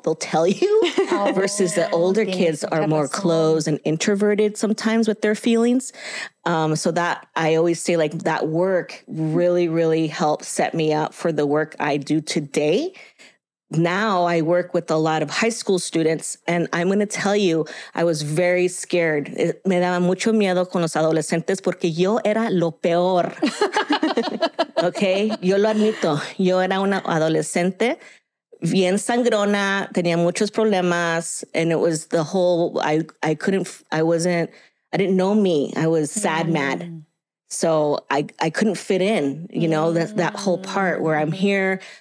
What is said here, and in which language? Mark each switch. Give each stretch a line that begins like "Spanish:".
English: They'll tell you versus the older kids are more closed and introverted sometimes with their feelings. So that I always say, like, that work really, really helped set me up for the work I do today. Now I work with a lot of high school students, and I'm going to tell you, I was very scared.
Spanish: Me daba mucho miedo con los adolescentes porque yo era lo peor. Okay, yo lo admito. Yo era una adolescente bien sangrona, tenía muchos problemas,
English: and it was the whole, I didn't know me. I was sad, mad. So I couldn't fit in, you know, that whole part where I'm here.